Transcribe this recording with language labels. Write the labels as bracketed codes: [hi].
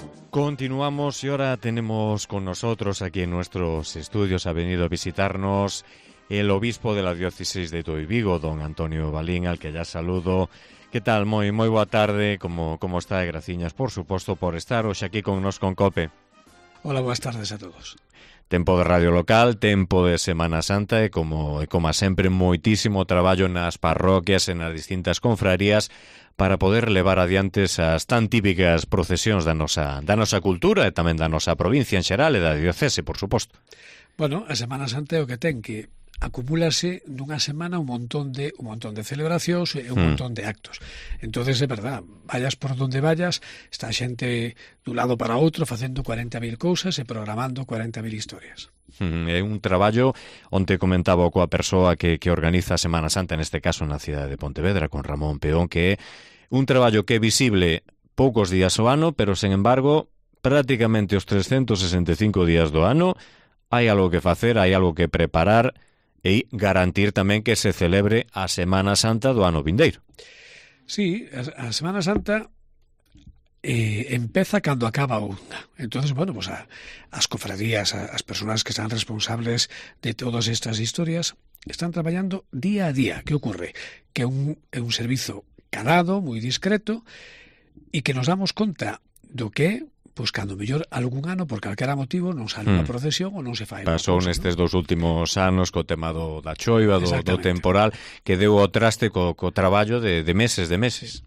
[es] continuamos y ahora tenemos con nosotros aquí en nuestros estudios, ha venido a visitarnos el obispo de la diócesis de Tui-Vigo, don Antonio Balín, al que ya saludo. ¿Qué tal? Muy [gl] boa tarde. [es] ¿Cómo está, Graciñas? Por supuesto, por estar hoy aquí con nos con COPE. Hola, buenas tardes a todos. [gl] Tempo de radio local, tempo de Semana Santa e como a sempre, moitísimo traballo nas parroquias e nas distintas confrarías para poder levar adiante esas tan típicas procesións da nosa cultura e tamén da nosa provincia en xeral e da diocese, por suposto. Bueno, a Semana Santa é o que ten, que acumulase nunha semana un montón de celebracións e un montón de actos. Entonces é verdad, [es] vayas por donde vayas, [gl] está xente dun lado para outro facendo 40.000 cousas e programando 40.000 historias. É un traballo, onte comentaba coa persoa que organiza a Semana Santa, neste caso na cidade de Pontevedra, con Ramón Peón, que é un traballo que é visible poucos días ao ano, pero, sen embargo, prácticamente os 365 días do ano hai algo que facer, hai algo que preparar e garantir tamén que se celebre a Semana Santa do ano vindeiro. Sí, a Semana Santa empeza cando acaba unha. Entonces, bueno, pues as cofradías, as persoas que están responsables de todas estas historias, están traballando día a día. ¿Qué ocurre? Que é un servizo calado, moi discreto, e que nos damos conta do que, pues cando mellor algún ano, por calquera motivo, non sale unha procesión ou non se fai. Pasou nestes dos últimos anos co tema da choiva, do temporal, que deu o traste co traballo de meses, de meses.